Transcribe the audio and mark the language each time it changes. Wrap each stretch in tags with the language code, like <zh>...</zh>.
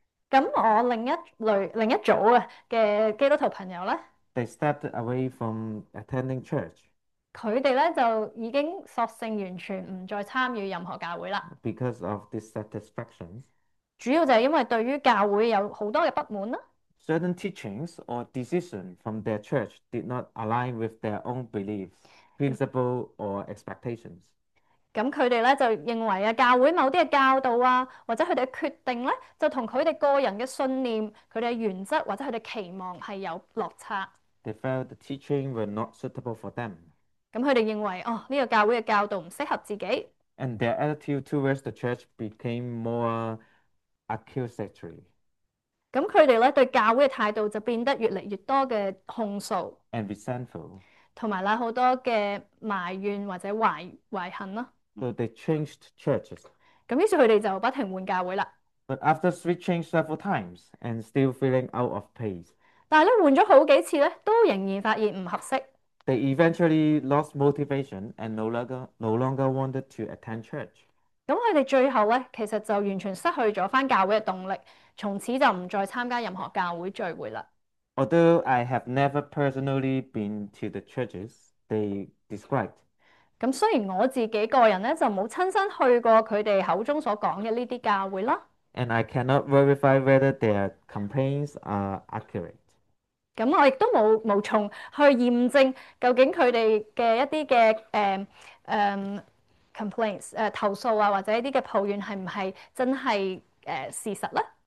<yue>咁我另一組嘅基督徒朋友咧，</yue> <en>they stepped away from attending church</en> <yue>佢哋咧就已經索性完全唔再參與任何教會啦。</yue> <en>because of dissatisfaction.</en> <yue>主要就係因為對於教會有好多嘅不滿啦。</yue> <en>Certain teachings or decisions from their church did not align with their own beliefs, principles, or expectations.</en> <yue>咁佢哋咧就認為啊，教會某啲嘅教導啊，或者佢哋嘅決定咧，就同佢哋個人嘅信念、佢哋嘅原則或者佢哋期望係有落差。</yue> <en>They felt the teaching were not suitable for them.</en> <yue>咁佢哋認為哦，呢、这個教會嘅教導唔適合自己。</yue> <en>And their attitude towards the church became more accusatory</en> <yue>咁佢哋咧對教會嘅態度就變得越嚟越多嘅控訴，</yue> <en>and resentful.</en> <yue>同埋啦好多嘅埋怨或者懷恨啦。</yue> <en>So they changed churches.</en> <yue>咁於是佢哋就不停換教會啦。</yue> <en>But after switching several times and still feeling out of place,</en> <yue>但系咧換咗好幾次咧，都仍然發現唔合適。</yue> <en>They eventually lost motivation and no longer wanted to attend church.</en> <yue>咁佢哋最後咧，其實就完全失去咗翻教會嘅動力，從此就唔再參加任何教會聚會啦。</yue> <en>Although I have never personally been to the churches they described.</en> <yue>咁雖然我自己個人咧就冇親身去過佢哋口中所講嘅呢啲教會啦，</yue> <en>And I cannot verify whether their complaints are accurate.</en> <yue>咁我亦都無從去驗證究竟佢哋嘅一啲嘅complaints 投訴啊，或者一啲嘅抱怨係唔係真係事實咧？</yue>